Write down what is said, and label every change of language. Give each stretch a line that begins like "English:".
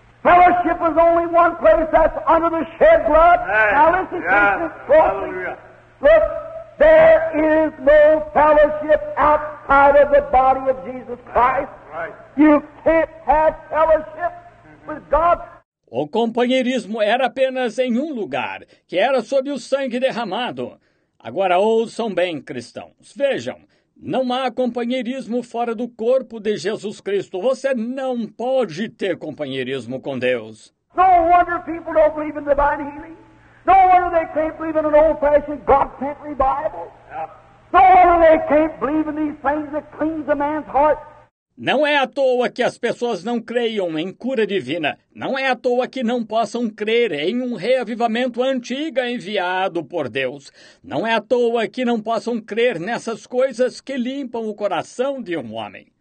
English: Fellowship is only one place, that's under the shed blood. Hey. Now listen, yeah. Hallelujah. Look, there is no fellowship outside of the body of Jesus Christ. Right. You can't have fellowship with God.
Portuguese: O companheirismo era apenas em um lugar, que era sob o sangue derramado. Agora ouçam bem, cristãos. Vejam, não há companheirismo fora do corpo de Jesus Cristo. Você não pode ter companheirismo com Deus.
English: No wonder people don't believe in divine healing. No wonder they can't believe in an old-fashioned God-sent revival. No wonder they can't believe in these things that cleans a man's heart.
Portuguese: Não é à toa que as pessoas não creiam em cura divina. Não é à toa que não possam crer em um reavivamento antigo enviado por Deus. Não é à toa que não possam crer nessas coisas que limpam o coração de um homem.